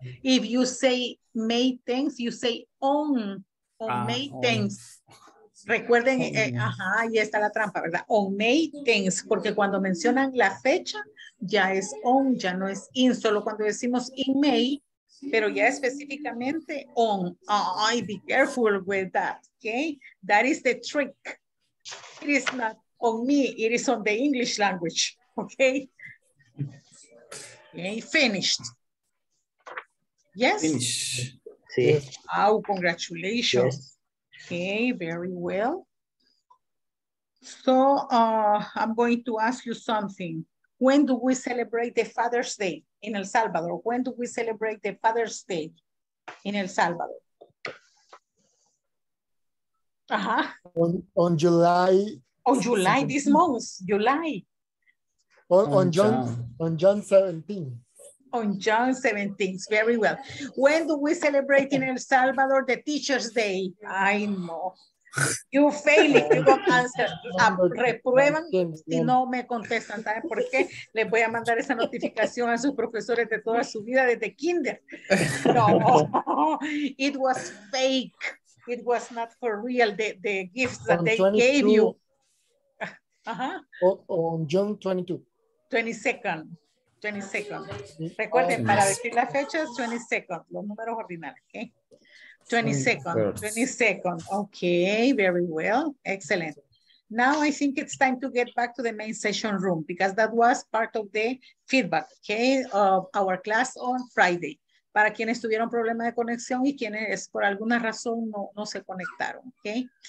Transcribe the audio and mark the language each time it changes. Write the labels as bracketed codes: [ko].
[en] If you say May 10th, you say on May 10th. [es] Recuerden, ahí está la trampa, ¿verdad? [en] On May 10th, [es] porque cuando mencionan la fecha, ya es on, ya no es in. Solo cuando decimos [en] in May, [es] pero ya específicamente on. [en] Ay, be careful with that, okay? That is the trick. It is not on me, it is on the English language, okay? Okay, finished. Yes? Finished. Sí. Wow, congratulations. Yes. Okay, very well. So, I'm going to ask you something. When do we celebrate the Father's Day in El Salvador? When do we celebrate the Father's Day in El Salvador? On July. On July, this month, July. On John 17th, very well. When do we celebrate in El Salvador the Teacher's Day? I know. You fail if you don't answer. [es] Reprueban si no me contestan. ¿Saben por qué? Les voy a mandar esa notificación a sus profesores de toda su vida desde kinder. [en] No, it was fake. It was not for real, the gifts that they gave you. On June 22nd. 22nd. [es] Recuerden, para decir las fechas, 22nd, los números ordinales. [en] Okay? 22nd. Okay, very well. Excellent. Now I think it's time to get back to the main session room because that was part of the feedback, okay, of our class on Friday. [es] Para quienes tuvieron problemas de conexión y quienes por alguna razón no se conectaron, okay?